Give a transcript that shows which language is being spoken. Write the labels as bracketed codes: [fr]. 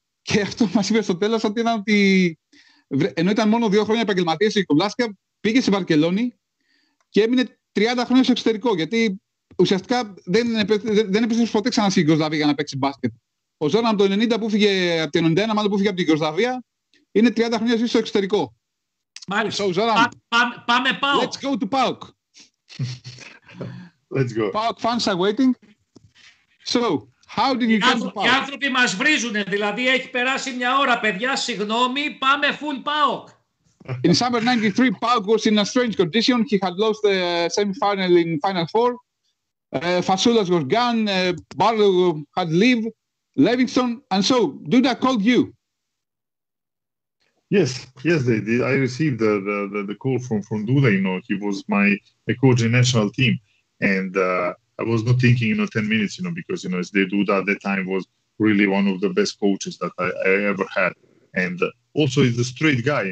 [el] Και αυτό μας είπε στο τέλος, ότι ήταν ότι ενώ ήταν μόνο 2 χρόνια επαγγελματίας στην Κομπλάσκα, πήγε στη Βαρκελόνη και έμεινε 30 χρόνια στο εξωτερικό. Γιατί ουσιαστικά δεν επέστρεψε ποτέ ξανά στην Ιγκοσλαβία για να παίξει μπάσκετ. Ο Ζόραν από το 90 που φύγε, από το 91 μάλλον που φύγε από την Ιγκοσλαβία, είναι 30 χρόνια ζει στο εξωτερικό. Μάλιστα. So, Ζόραν, πάμε ΠΑΟΚ. [en] Let's go to ΠΑΟΚ. Let's go. ΠΑΟΚ fans are waiting. So, how did you get to ΠΑΟΚ? [el] Οι άνθρωποι μας βρίζουν, δηλαδή έχει περάσει μια ώρα, παιδιά, συγγνώμη, πάμε full ΠΑΟΚ. [en] In summer 93, ΠΑΟΚ was in a strange condition. He had lost the semi-final in Final Four. Φασούλας was gone, Barlow had leave, Livingston, and so, Duda called you. Yes, they did. I received the call from Duda. You know, he was my coach in national team, and I was not thinking, you know, 10 minutes, you know, because you know, it's the Duda at that time was really one of the best coaches that I ever had, and also he's a straight guy.